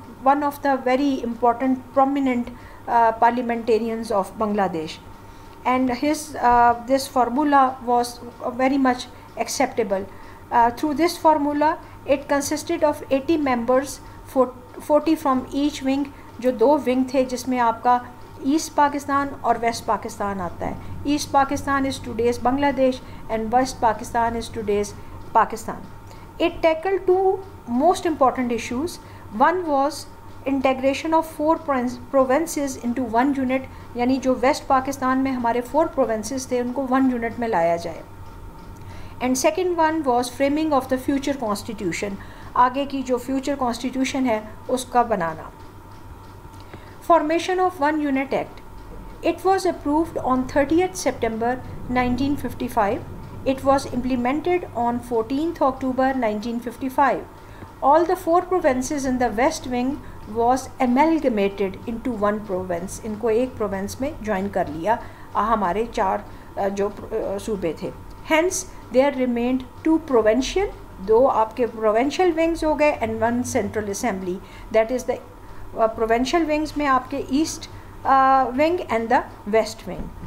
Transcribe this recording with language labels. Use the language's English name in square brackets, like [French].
[English] one of the very important prominent parliamentarians of Bangladesh, and his this formula was very much acceptable. Through this formula, it consisted of 80 members, 40 from each wing. [Hindi] जो दो wing थे जिसमें आपका east Pakistan और waste Pakistan आता है. [English] East Pakistan is today's Bangladesh and west Pakistan is today's Pakistan. It tackle two most important issues. One was integration of four provinces into one unit, [Hindi] यानी जो वेस्ट पाकिस्तान में हमारे फोर प्रोवेंसेस थे उनको वन यूनिट में लाया जाए. [English] and second one was framing of the future constitution, [Hindi] आगे की जो फ्यूचर कॉन्स्टिट्यूशन है उसका बनाना. [English] Formation of One Unit Act. It was approved on 30th September 1955. It was implemented on 14th October 1955. All the four provinces in the West Wing was amalgamated into one province. [Hindi] इनको एक Provence में join कर लिया हमारे चार जो सूबे थे. [English] Hence, there remained two provincial, [Hindi] दो आपके provincial wings हो गए, [English] and one central assembly. That is the provincial wings [Hindi] में आपके [English] East wing and the west wing.